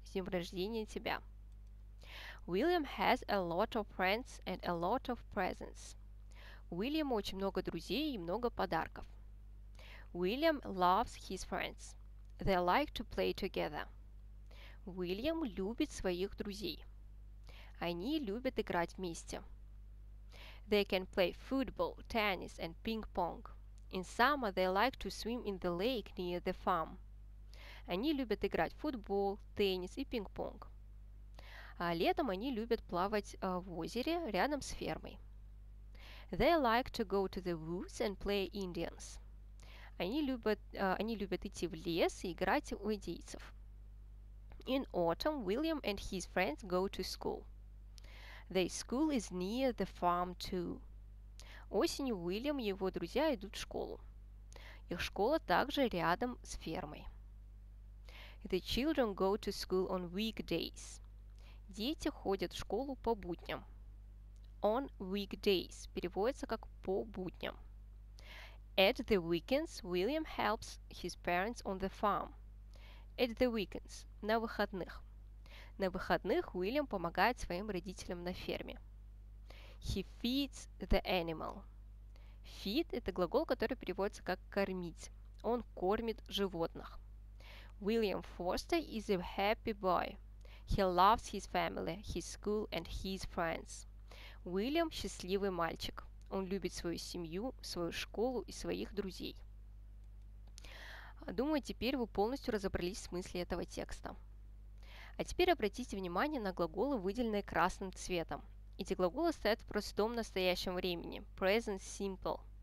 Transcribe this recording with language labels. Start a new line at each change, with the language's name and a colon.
Russian: С днем рождения тебя.
English: William has a lot of friends and a lot of presents.
Russian: У Уильяма очень много друзей и много подарков.
English: William loves his friends. They like to play together.
Russian: Уильям любит своих друзей. Они любят играть вместе.
English: They can play football, tennis and ping-pong. In summer they like to swim in the lake near the farm.
Russian: Они любят играть в футбол, теннис и пинг-понг. А летом они любят плавать в озере рядом с фермой.
English: They like to go to the woods and play Indians.
Russian: Они любят идти в лес и играть у индейцев.
English: In autumn, William and his friends go to school. Their school is near the farm too.
Russian: Осенью Уильям и его друзья идут в школу. Их школа также рядом с фермой.
English: The children go to school on weekdays.
Russian: Дети ходят в школу по будням.
English: On weekdays
Russian: переводится как по будням.
English: At the weekends William helps his parents on the farm. At the weekends
Russian: на выходных. На выходных Уильям помогает своим родителям на ферме.
English: He feeds the animal.
Russian: Feed это глагол, который переводится как кормить. Он кормит животных.
English: William Foster is a happy boy. He loves his family, his school and his friends.
Russian: Уильям – счастливый мальчик. Он любит свою семью, свою школу и своих друзей. Думаю, теперь вы полностью разобрались в смысле этого текста. А теперь обратите внимание на глаголы, выделенные красным цветом. Эти глаголы стоят в простом настоящем времени – present simple.